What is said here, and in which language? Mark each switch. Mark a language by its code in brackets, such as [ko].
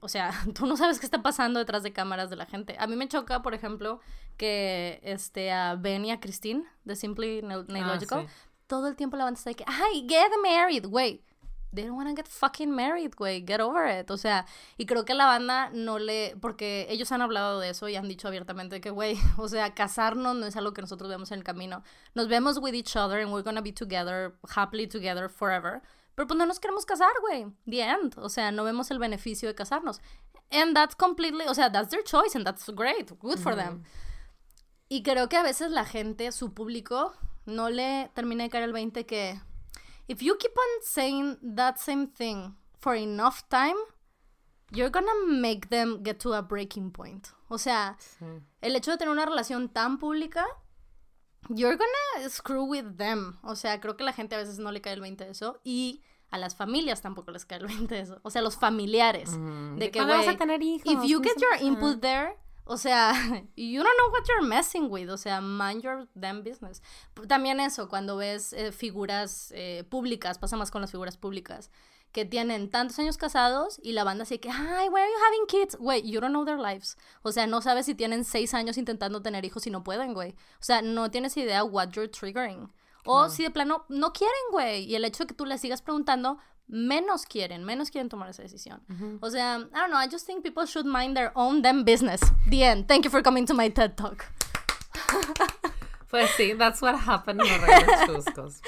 [es] O sea, tú no sabes qué está pasando detrás de cámaras de la gente. A mí me choca, por ejemplo, que a Ben y a Christine de Simply Neological, todo el tiempo la banda está de que, ay, [en] get married, [es] güey. [en] They don't wanna get fucking married, güey. Get over it. [es] O sea, y creo que la banda no le... Porque ellos han hablado de eso y han dicho abiertamente que, güey, o sea, casarnos no es algo que nosotros vemos en el camino. Nos vemos [en] with each other and we're gonna be together, happily together forever. [es] Pero pues no nos queremos casar, güey. [en] The end. [es] O sea, no vemos el beneficio de casarnos. [en] And that's completely... O sea, that's their choice and that's great. Good for them. [es] Y creo que a veces la gente, su público, no le termina de caer el 20 que... [en] If you keep on saying that same thing for enough time, you're gonna make them get to a breaking point. [es] O sea, el hecho de tener una relación tan pública, [en] you're gonna screw with them. [es] O sea, creo que la gente a veces no le cae el 20 de eso. Y a las familias tampoco les cae el 20 de eso. O sea, los familiares. De que, ¿cuándo vas a tener hijos? [en] If you get your input there, [es] o sea, [en] you don't know what you're messing with. [es] O sea, [en] mind your damn business. [es] También eso, cuando ves figuras públicas, pasa más con las figuras públicas, que tienen tantos años casados y la banda así que, ay, [en] why are you having kids? Güey, you don't know their lives. [es] O sea, no sabes si tienen 6 años intentando tener hijos y no pueden, güey. O sea, no tienes idea [en] what you're triggering. [es] O si de plano no quieren, güey. Y el hecho de que tú les sigas preguntando, menos quieren tomar esa decisión. [en] O sea, I don't know, I just think people should mind their own damn business. The end. Thank you for coming to my TED Talk. Pues sí, that's what happened with regards to